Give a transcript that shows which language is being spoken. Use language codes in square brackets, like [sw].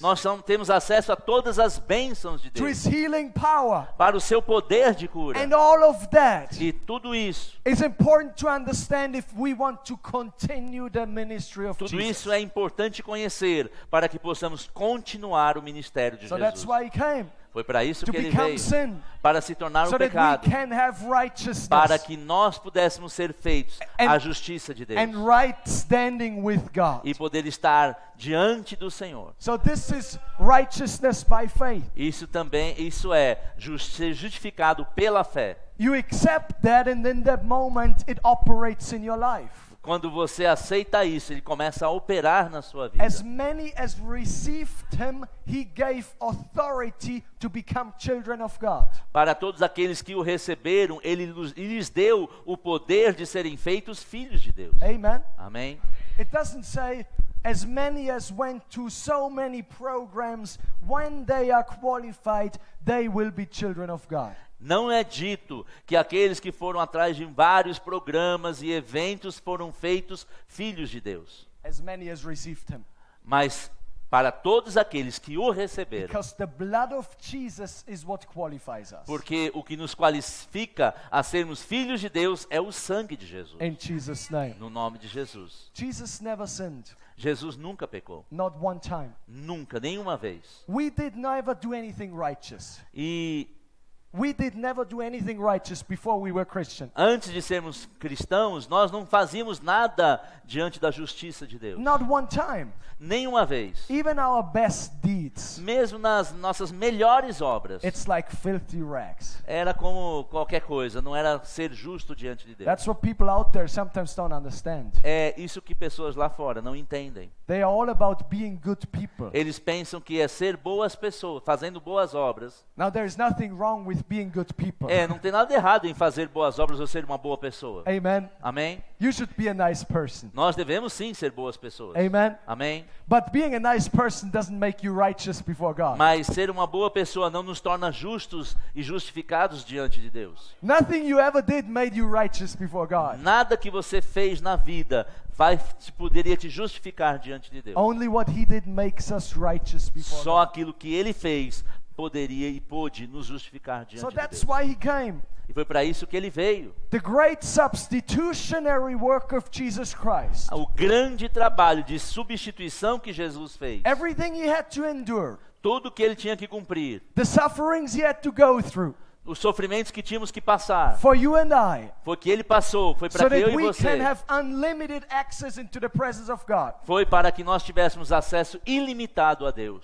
[pt] Nós temos acesso a todas as bênçãos de Deus. [en] To His healing power. [pt] Para o seu poder de cura. [en] And all of that. [pt] E tudo isso. [en] It's important to understand if we want to continue the ministry of [pt] tudo [en] Jesus. [pt] Tudo isso é importante conhecer para que possamos continuar o ministério de [en] so [pt] Jesus. [en] That's why he came. [pt] Foi para isso [en] to [pt] que ele veio, [en] sin, [pt] para se tornar [en] so [pt] um pecado, [en] can have [pt] para que nós pudéssemos ser feitos à justiça de Deus [en] and right standing with God. [pt] E poder estar diante do Senhor. [en] So this is righteousness by faith. [pt] Isso também, isso é ser justificado pela fé. [en] You accept that and in that moment it operates in your life. [pt] Quando você aceita isso, ele começa a operar na sua vida. [en] As many as received him, he gave authority to become children of God. [pt] Para todos aqueles que o receberam, ele lhes deu o poder de serem feitos filhos de Deus. [en] Amen. [pt] Amém. [en] It doesn't say as many as went to so many programs, when they are qualified, they will be children of God. [pt] Não é dito que aqueles que foram atrás de vários programas e eventos foram feitos filhos de Deus. [en] As many as received him. [pt] Mas para todos aqueles que o receberam. [en] Because the blood of Jesus is what qualifies us. [pt] Porque o que nos qualifica a sermos filhos de Deus é o sangue de Jesus. [en] In Jesus name. [pt] No nome de Jesus. [en] Jesus never sinned. [pt] Jesus nunca pecou. [en] Not one time. [pt] Nunca, nenhuma vez. [en] We did never do anything righteous. [pt] E [en] we did never do anything righteous before we were Christian. [pt] Antes de sermos cristãos, nós não fazíamos nada diante da justiça de Deus. [en] Not one time. [pt] Nenhuma vez. [en] Even our best deeds. [pt] Mesmo nas nossas melhores obras. [en] It's like filthy rags. [pt] Era como qualquer coisa, não era ser justo diante de Deus. [en] That's what people out there sometimes don't understand. [pt] É isso que pessoas lá fora não entendem. [en] They are all about being good people. [pt] Eles pensam que é ser boas pessoas, fazendo boas obras. [en] Now there is nothing wrong with being good people. [pt] É, não tem nada errado em fazer boas obras ou ser uma boa pessoa. [en] Amen. [pt] Amém. [en] You should be a nice person. [pt] Nós devemos sim ser boas pessoas. [en] Amen. [pt] Amém. [en] But being a nice person doesn't make you righteous before God. [pt] Mas ser uma boa pessoa não nos torna justos e justificados diante de Deus. [en] Nothing you ever did made you righteous before God. [pt] Nada que você fez na vida vai te, poderia te justificar diante de Deus. [en] Only what he did makes us righteous before God. [pt] Só aquilo que ele fez poderia e pôde nos justificar diante [en] so [pt] de Deus. [en] Why he came. [pt] E foi para isso que ele veio. [en] The great substitutionary work of Jesus Christ. [pt] O grande trabalho de substituição que Jesus fez. [en] Everything he had to endure. [pt] Tudo que ele tinha que cumprir. [en] The sufferings he had to go through. [pt] os sofrimentos que tínhamos que passar. [en] For you and I. [pt] Foi que ele passou, foi para [en] so [pt] eu e você. [en] So we can have unlimited access into the presence of God. [pt] Foi para que nós tivéssemos acesso ilimitado a Deus.